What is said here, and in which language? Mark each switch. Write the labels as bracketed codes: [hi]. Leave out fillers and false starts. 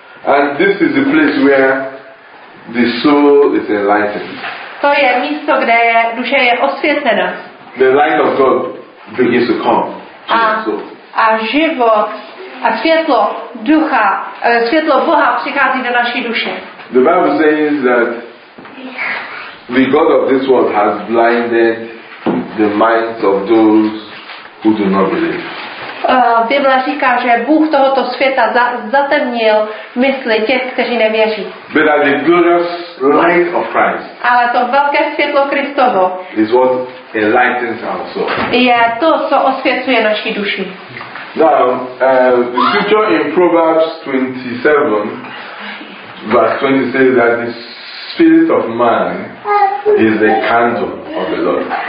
[en] And this is the place where the soul is enlightened. [cs] To je místo, kde je duše je osvětlena. [en] The light of God begins to come to the soul. [cs] A život a světlo ducha, světlo Boha přichází do naší duše. [en] The Bible says that the God of this world has blinded the minds of those who do not believe. [cs] Bible říká, že Bůh tohoto světa zatemnil mysli těch, kteří nevěří. [en] But the glorious light of Christ. [cs] Ale to velké světlo Kristovo. [en] Is what enlightens our soul. [cs] Je to, co osvětluje naši duši. [en] Now, the scripture in Proverbs 27, verse 20 says that the spirit of man is the candle of the Lord.